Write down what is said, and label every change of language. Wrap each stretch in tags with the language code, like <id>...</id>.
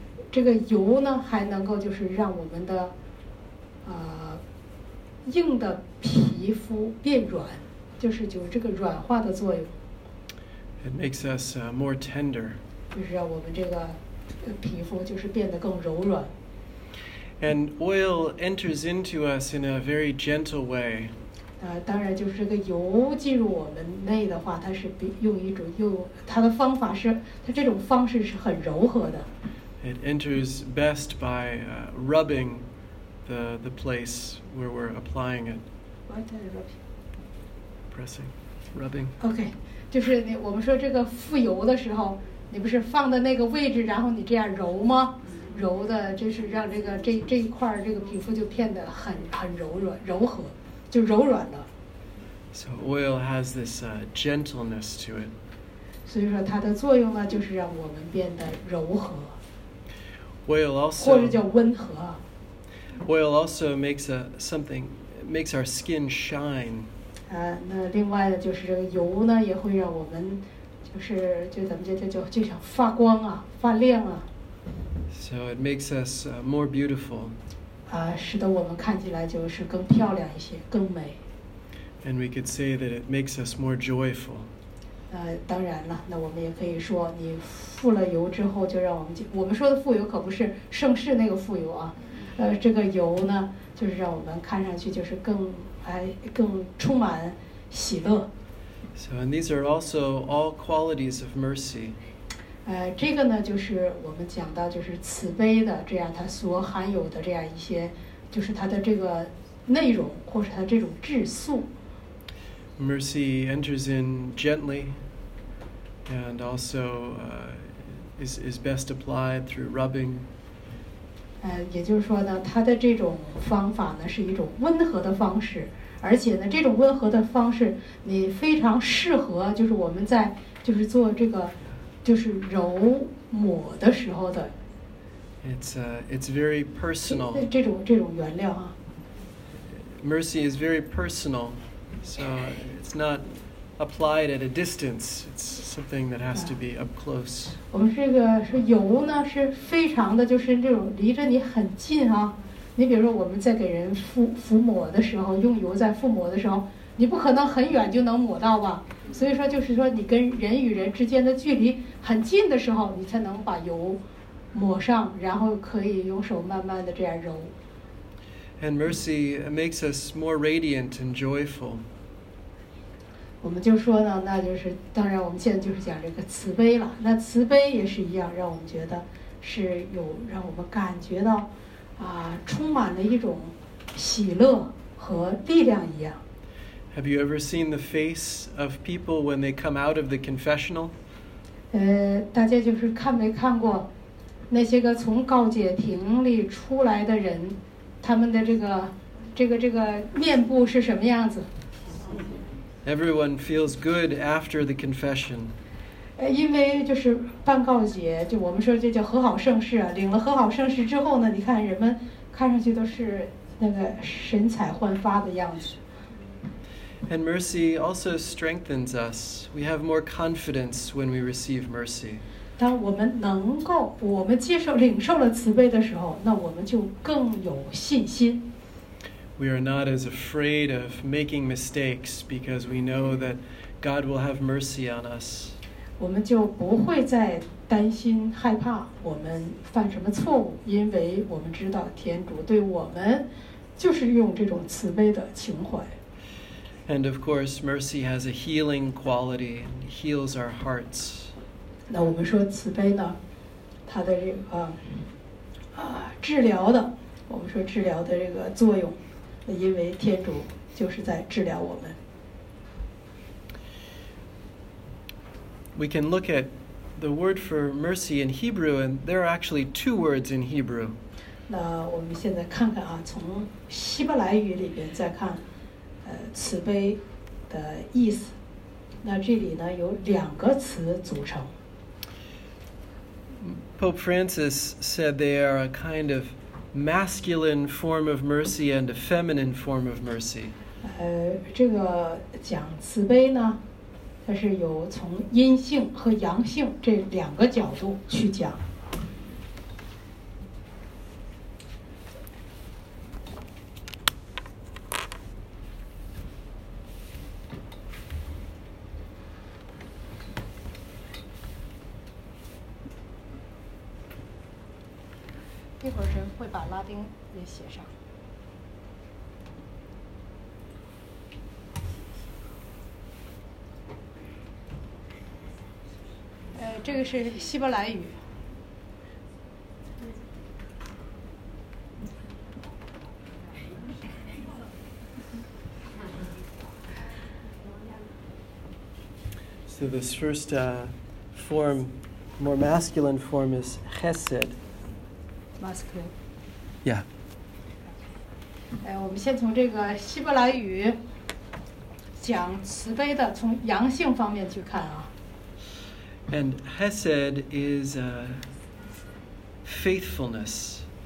<zh>这个油呢还能够就是让我们的硬的皮肤变软，就是就这个软化的作用。</zh> <en>It makes us more tender.</en> <zh>就是让我们这个皮肤就是变得更柔软。</zh> <en>And oil enters into us in a very gentle way.</en> <zh>当然就是这个油进入我们内的话，它是用一种又它的方法是它这种方式是很柔和的。</zh> <en>It enters best by rubbing the place where we're applying it. What are you rubbing? Pressing, rubbing.</en> <zh>Okay, 就是你我们说这个复油的时候，你不是放的那个位置，然后你这样揉吗？揉的就是让这个这一块这个皮肤就变得很柔软柔和，就柔软了。</zh> <en>So oil has this gentleness to it.</en> <zh>所以说它的作用呢，就是让我们变得柔和。</zh> <en>Oil also</en> <zh>或者叫温和。</zh> <en>Oil also makes makes our skin shine.</en> <zh>那另外的就是这个油呢，也会让我们就咱们就想发光啊，发亮啊。</zh> <en>So it makes us more beautiful.</en> <zh>使得我们看起来就是更漂亮一些，更美。</zh> <en>And we could say that it makes us more joyful.</en> <zh>当然了，那我们也可以说，你复了油之后，就让我们说的复油可不是盛世那个复油啊。这个油呢，就是让我们看上去就是更充满喜乐。</zh> <en>So, and these are also all qualities of mercy.</en> <zh>这个呢，就是我们讲到就是慈悲的，这样它所含有的这样一些，就是它的这个内容或是它这种质素。</zh> <en>Mercy enters in gently, and also is best applied through rubbing.</en> <zh>也就是说呢，它的这种方法呢是一种温和的方式，而且呢，这种温和的方式你非常适合，就是我们在就是做这个就是揉抹的时候的。</zh> <en>It's very personal.</en> <zh>这种原料啊。</zh> <en>Mercy is very personal, so it's not applied at a distance. It's something that has to be up close.</en> <zh>我们这个是油呢，是非常的，就是这种离着你很近啊。你比如说，我们在给人抚抹的时候，用油在抚抹的时候，你不可能很远就能抹到吧？所以说，就是说你跟人与人之间的距离很近的时候，你才能把油抹上，然后可以用手慢慢的这样揉。</zh> <en>And mercy makes us more radiant and joyful.</en> <zh>我们就说呢，那就是当然，我们现在就是讲这个慈悲了。那慈悲也是一样，让我们觉得是有让我们感觉到充满了一种喜乐和力量一样。</zh> <en>Have you ever seen the face of people when they come out of the confessional?</en> <zh>大家就是看没看过那些个从告解亭里出来的人，他们的这个面部是什么样子？</zh> <en>Everyone feels good after the confession.</en> <zh>因为就是办告解，就我们说这叫和好盛世啊。领了和好盛世之后呢，你看人们看上去都是那个神采焕发的样子。</zh> <en>And mercy also strengthens us. We have more confidence when we receive mercy.</en> <zh>当我们能够我们接受领受了慈悲的时候，那我们就更有信心。</zh> <en>We are not as afraid of making mistakes because we know that God will have mercy on us.</en> <zh>我们就不会再担心害怕我们犯什么错误，因为我们知道天主对我们就是用这种慈悲的情怀。</zh> <en>And of course, mercy has a healing quality and heals our hearts.</en> <zh>那我们说慈悲呢，它的这个治疗的，我们说治疗的这个作用。因为天主就是在治疗我们。</zh> <en>We can look at the word for mercy in Hebrew, and there are actually two words in Hebrew.</en> <zh>那我们现在看看啊，从希伯来语里边再看，慈悲的意思。那这里呢有两个词组成。</zh> <en>Pope Francis said they are a kind of masculine form of mercy and a feminine form of mercy.</en> <zh>这个讲慈悲呢，它是有从阴性和阳性这两个角度去讲。一会儿人会把拉丁也写上。这个是希伯来语。</zh> <en>So this first form, more masculine form, is chesed. Masculine. Yeah.</en> <zh>我们先从这个希伯来语讲慈悲的，从阳性方面去看啊。</zh> <en>And chesed is faithfulness.</en>